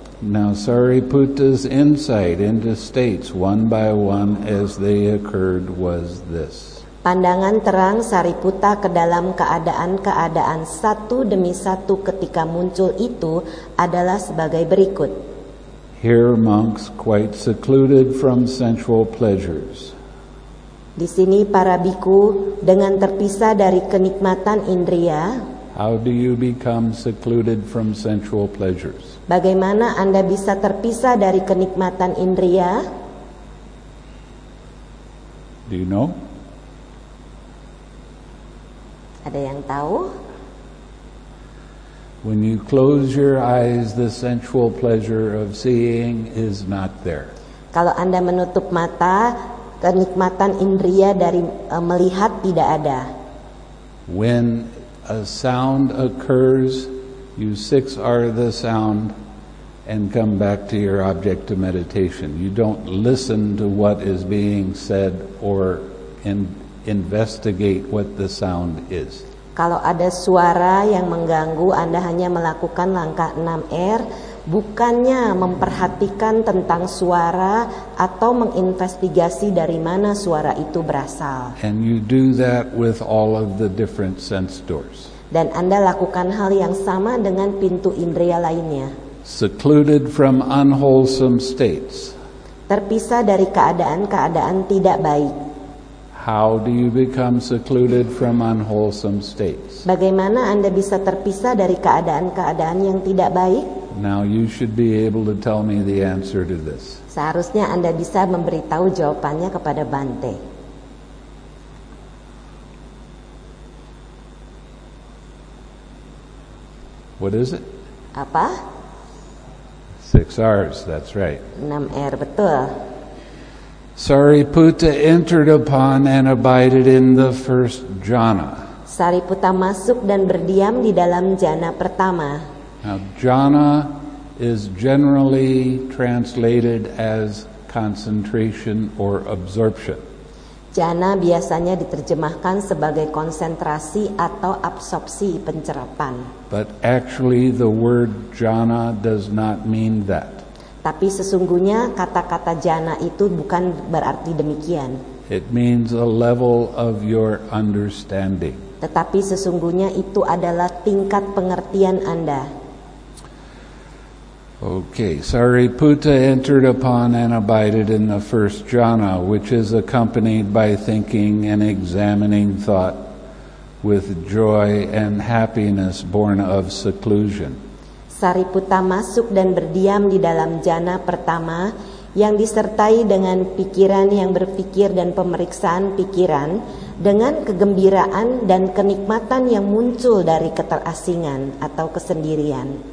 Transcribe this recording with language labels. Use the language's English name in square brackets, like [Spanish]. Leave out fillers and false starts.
[English] Now Sariputta's insight into states one by one as they occurred was this. [Indonesian] Pandangan terang Sariputta ke dalam keadaan-keadaan satu demi satu ketika muncul itu adalah sebagai berikut. [English] Here monks quite secluded from sensual pleasures. [Indonesian] Di sini para bhikkhu dengan terpisah dari kenikmatan indria. [English] How do you become secluded from sensual pleasures? [Indonesian] Bagaimana Anda bisa terpisah dari kenikmatan indria? [English] Do you know? [Indonesian] Ada yang tahu? [English] When you close your eyes, the sensual pleasure of seeing is not there. [Indonesian] Kalau Anda menutup mata, kenikmatan indria dari melihat tidak ada. [English] When a sound occurs, you 6 are the sound and come back to your object to meditation. You don't listen to what is being said or investigate what the sound is. [Indonesian] Kalau ada suara yang mengganggu, Anda hanya melakukan langkah 6R, bukannya memperhatikan tentang suara atau menginvestigasi dari mana suara itu berasal. [English] And you do that with all of the different sense doors. [Indonesian] Dan Anda lakukan hal yang sama dengan pintu indera lainnya. [English] Secluded from unwholesome states. [Indonesian] Terpisah dari keadaan-keadaan tidak baik. [English] How do you become secluded from unwholesome states? [Indonesian] Bagaimana Anda bisa terpisah dari keadaan-keadaan yang tidak baik? [English] Now you should be able to tell me the answer to this. [Indonesian] Seharusnya Anda bisa memberitahu jawabannya kepada Bante. [English] What is it? [Indonesian] Apa? [English] 6 R's, that's right. [Indonesian] 6 R, betul. [English] Sariputta entered upon and abided in the first jhana. [Indonesian] Sariputta masuk dan berdiam di dalam jhana pertama. [English] Now, jhana is generally translated as concentration or absorption. [Indonesian] Jhana biasanya diterjemahkan sebagai konsentrasi atau absorpsi, pencerapan. [English] But actually the word jhana does not mean that. [Indonesian] Tapi sesungguhnya kata-kata jhana itu bukan berarti demikian. [English] It means a level of your understanding. [Indonesian] Tetapi sesungguhnya itu adalah tingkat pengertian Anda. [English] Okay, Sariputta entered upon and abided in the first jhana, which is accompanied by thinking and examining thought with joy and happiness born of seclusion. [Indonesian] Sariputta masuk dan berdiam di dalam jhana pertama yang disertai dengan pikiran yang berpikir dan pemeriksaan pikiran dengan kegembiraan dan kenikmatan yang muncul dari keterasingan atau kesendirian.